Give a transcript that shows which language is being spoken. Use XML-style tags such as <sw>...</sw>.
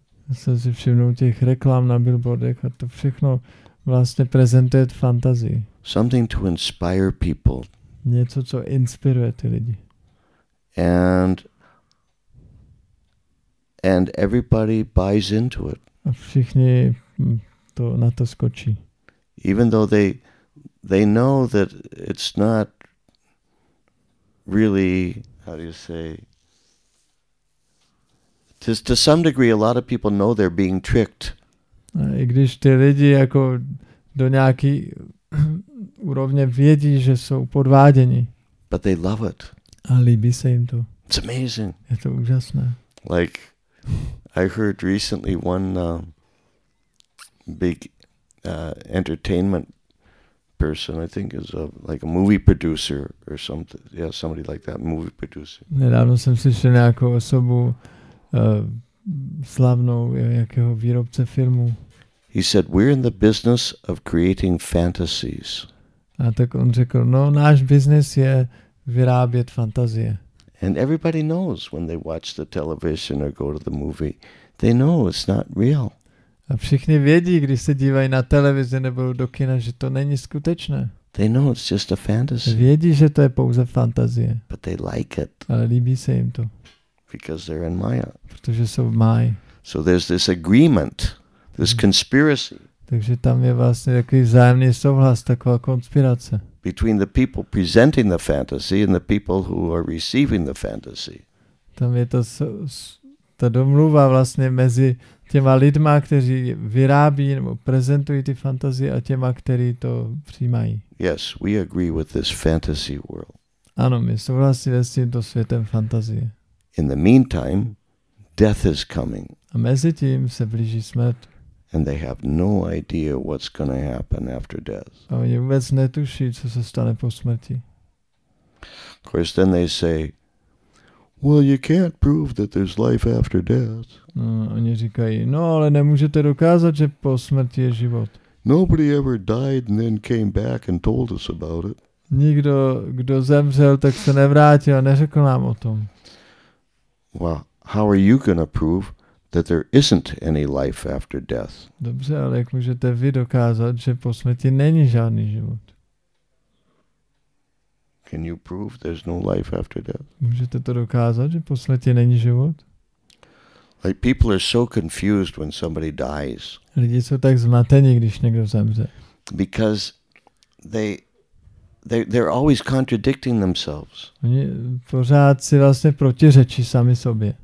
<cs>Já jsem si všimnul těch reklam na billboardech a to všechno vlastně prezentuje fantazii.</cs> <en>Something to inspire people.</en> <cs>Něco, co inspiruje ty lidi.</cs> <en>And everybody buys into it.</en> <cs>A všichni to na to skočí.</cs> <en>Even though they know that it's not really, how do you say, to some degree a lot of people know they're being tricked.</en> <cs>A i když ty lidi jako do nějaký úrovně vědí, že jsou podváděni.</cs> <en>But they love it.</en> <cs>A líbí se jim to.</cs> <en>It's amazing.</en> <cs>Je to úžasné.</cs> <en>Like I heard recently one big entertainment person, I think is a, like a movie producer or something. Yeah, somebody like that, movie producer.</en> <cs>Nedávno jsem slyšel nějakou osobu slavnou, jakého výrobce filmu.</cs> <en>He said, we're in the business of creating fantasies.</en> <cs>A tak on řekl, no, náš biznis je vyrábět fantazie.</cs> <en>And everybody knows when they watch the television or go to the movie, they know it's not real.</en> <cs>A všichni vědí, když se dívají na televizi nebo do kina, že to není skutečné.</cs> <en>They know it's just a fantasy.</en> <cs>Vědí, že to je pouze fantazie.</cs> <en>But they like it.</en> <cs>Ale líbí se jim to.</cs> <en>Because they're in Maya.</en> <cs>Protože jsou v Máji.</cs> <en>So there's this agreement, this conspiracy.</en> <cs>Takže tam je vlastně takový vzájemný souhlas, taková konspirace.</cs> <en>Between the people presenting the fantasy and the people who are receiving the fantasy.</en> <cs>Tam je ta domluva vlastně mezi těma lidma, kteří vyrábí nebo prezentují ty fantazie a těma, kteří to přijímají.</cs> <en>Yes, we agree with this fantasy world.</en> <cs>Ano, my souhlasíme s tímto světem fantazie.</cs> <en>In the meantime, death is coming.</en> <cs>A mezi tím se blíží smrt.</cs> <en>And they have no idea what's going to happen after death.</en> <cs>A oni vůbec netuší, co se stane po smrti.</cs> <en>Of course, then they say, well, you can't prove that there's life after death.</en> <cs>No, oni říkají, no, ale nemůžete dokázat, že po smrti je život.</cs> <en>Nobody ever died and then came back and told us about it.</en> <cs>Nikdo, kdo zemřel, tak se nevrátil a neřekl nám o tom.</cs> <en>Well, how are you going to prove that there isn't any life after death?</en> <cs>Dobře, ale jak můžete vy dokázat, že po smrti není žádný život?</cs> <en>Can you prove there's no life after death?</en> <cs>Můžete to dokázat, že po smrti není život?</cs> <en>Like people are so confused when somebody dies.</en> <cs>Lidi jsou tak zmateni, když někdo zemře.</cs> <en>Because they're always contradicting themselves.</en> <cs>Oni pořád si vlastně protiřečí sami sobě.</cs>